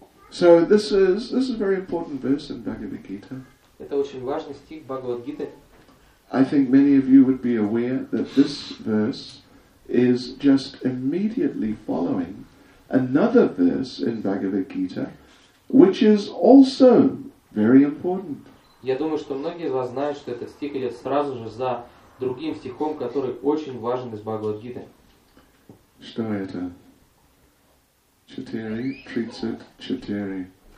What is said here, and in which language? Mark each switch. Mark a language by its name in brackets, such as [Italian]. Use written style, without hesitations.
[English] So this is a very important verse in Bhagavad Gita. [Russian] Это очень важный стих Бхагавад Гиты. [English] I think many of you would be aware that this verse is just immediately following another verse in Bhagavad Gita, which is also very important. [Russian] Я думаю, что многие из вас знают, что этот стих идет сразу же за другим стихом, который очень важен из Бхагавад Гиты. Что это? Четыре, тридцать, четыре.